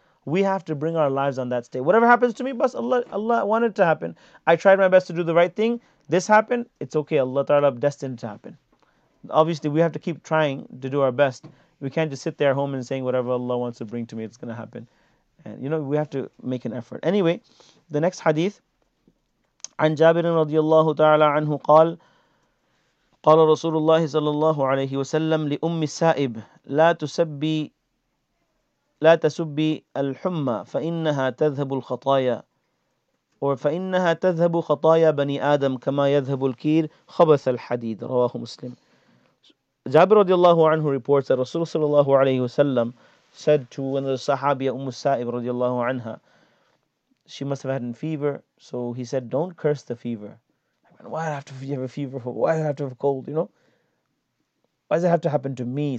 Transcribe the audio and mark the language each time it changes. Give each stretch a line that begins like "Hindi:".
English: We have to bring our lives on that state. Whatever happens to me, bas, Allah wanted it to happen. I tried my best to do the right thing. This happened, it's okay. Allah Ta'ala destined it to happen. Obviously, we have to keep trying to do our best. We can't just sit there at home and saying, whatever Allah wants to bring to me, it's going to happen. And you know, we have to make an effort. Anyway, the next hadith.
Arabic: عن جابر رضي الله تعالى عنه قال قال رسول الله صلى الله عليه وسلم لأم السائب لا تسبي الحمى فإنها تذهب الخطايا وفإنها تذهب خطايا بني آدم كما يذهب الكير خبث الحديد رواه مسلم.
English: Jabir radiallahu anhu reports that Rasul sallallahu alayhi wa sallam said to one of the Sahabiya Umm Sa'ib radiallahu anha, she must have had a fever, so he said, don't curse the fever. I mean, why do I have to have a fever? Why do I have to have a cold, you know? Why does it have to happen to me?